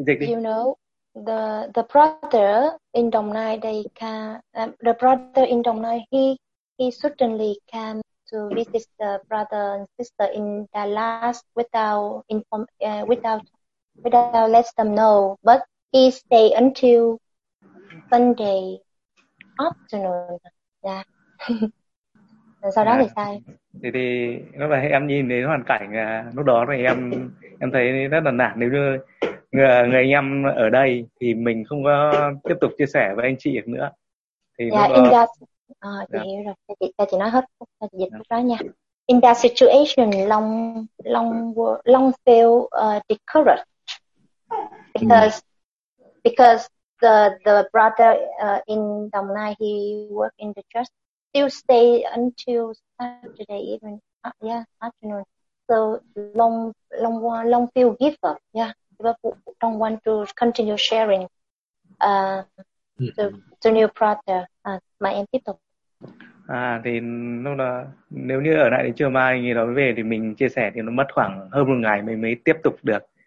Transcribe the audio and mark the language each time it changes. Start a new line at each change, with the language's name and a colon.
English: You know the brother in Đồng Nai they can the brother in Đồng Nai he certainly can to visit the brother and sister in Dallas without let them know, but he stay until Sunday afternoon.
Vietnamese: Yeah. Sau đó thì sao? Thì nó là em nhìn đến hoàn cảnh lúc đó thì em thấy rất là nản, nếu như người anh em ở đây thì mình không có tiếp tục chia sẻ với anh chị được nữa thì chị hiểu rồi, chị nói hết chị dịch đó nha.
English: In that situation long feel discouraged because the brother in Đồng Nai he work in the church still stay until Saturday even afternoon, so long feel give up, yeah. Don't want to continue sharing to new brother.
Vietnamese: Mà em tiếp tục. Thì lúc đó nếu như ở lại đến chiều mai người đó về thì mình chia sẻ thì nó mất khoảng hơn một ngày mới tiếp tục được.